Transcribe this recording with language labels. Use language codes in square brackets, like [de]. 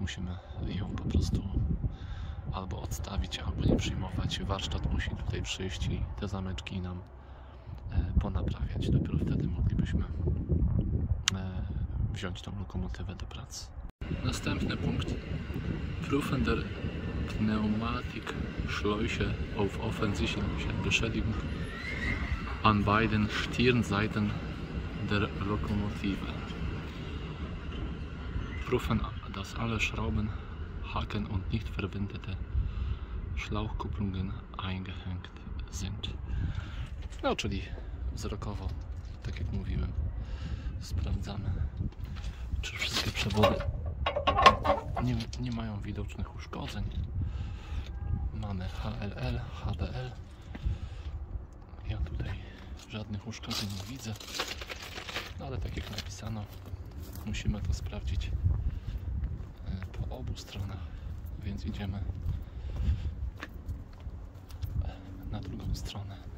[pl] Musimy ją po prostu albo odstawić, albo nie przyjmować. Warsztat musi tutaj przyjść i te zameczki nam ponaprawiać. Dopiero wtedy moglibyśmy wziąć tą lokomotywę do pracy. Następny punkt. [de] Prüfen der Pneumatikschläuche auf offensichtliche Beschädigung an beiden Stirnseiten der Lokomotive. Prüfen, dass alle Schrauben, Haken und nicht verwendete Schlauchkupplungen eingehängt sind. [pl] No, czyli wzrokowo, tak jak mówiłem, sprawdzamy, czy wszystkie przewody nie mają widocznych uszkodzeń. Mamy HLL, HBL. Ja tutaj żadnych uszkodzeń nie widzę, ale tak jak napisano, musimy to sprawdzić po obu stronach, więc idziemy na drugą stronę.